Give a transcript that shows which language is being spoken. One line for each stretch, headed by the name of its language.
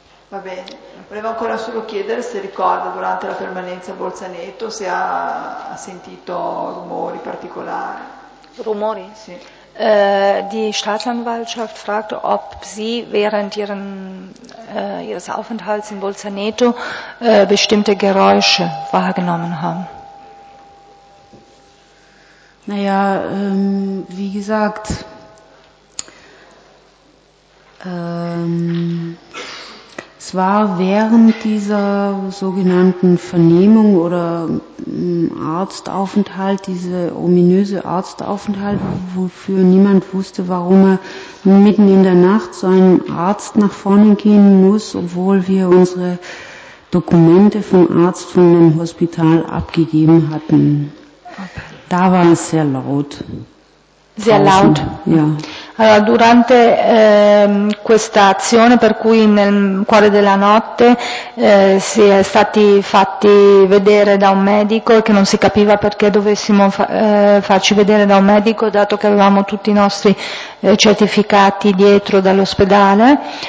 Italian: Va bene, volevo ancora solo chiedere se ricorda durante la permanenza a Bolzaneto se ha sentito rumori particolari. Rumori? Sì.
German: Die Staatsanwaltschaft fragt, ob sie während ihres Aufenthalts in Bolzaneto bestimmte Geräusche wahrgenommen haben. Naja, wie gesagt, es war während dieser sogenannten Vernehmung oder Arztaufenthalt, diese ominöse Arztaufenthalt, wofür niemand wusste, warum er mitten in der Nacht zu einem Arzt nach vorne gehen muss, obwohl wir unsere Dokumente vom Arzt von dem Hospital abgegeben hatten. Da war es sehr laut. Sehr laut? Ja.
Italian: Allora, durante questa azione, per cui nel cuore della notte si è stati fatti vedere da un medico, che non si capiva perché dovessimo farci vedere da un medico, dato che avevamo tutti i nostri certificati dietro dall'ospedale.